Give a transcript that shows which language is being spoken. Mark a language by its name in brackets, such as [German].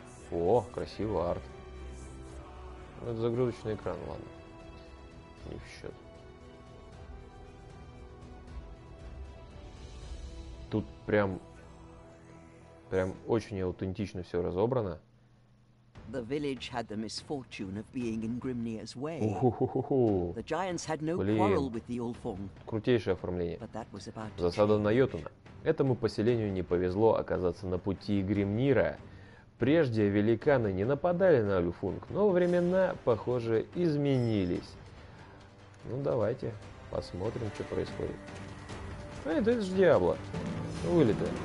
[Russian] О, красивый арт. Это загрузочный экран, ладно. Не в счет. Тут прям... Прям очень аутентично все разобрано. [English] The village had the misfortune of being in Grimnir's way. The giants had no quarrel with the Ulfung. [Russian] Крутейшее оформление. Засада на Йотуна. Этому поселению не повезло оказаться на пути Гримнира. Прежде великаны не нападали на Ульфунг, но времена, похоже, изменились. Ну давайте посмотрим, что происходит. Эй, да это же Диабло. Вылеты.